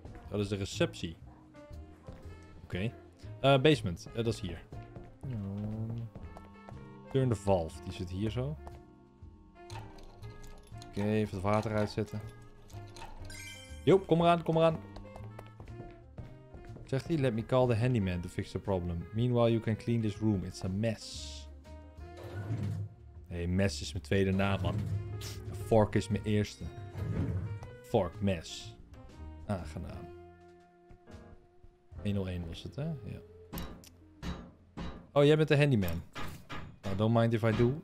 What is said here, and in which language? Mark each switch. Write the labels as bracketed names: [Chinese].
[Dutch] Dat is de receptie. Oké. Okay. Basement, dat is hier. [English] Turn the valve. [Dutch] Die zit hier zo. Oké, okay, even het water uitzetten. Joep, kom eraan. Zegt hij, [English] let me call the handyman to fix the problem. Meanwhile, you can clean this room. It's a mess. [Dutch] Hey, mes is mijn tweede naam, man. Fork is mijn eerste. Fork, mes. Aangenaam. 101 was het, hè? Ja. Oh, jij bent de handyman. [English] Nou, don't mind if I do.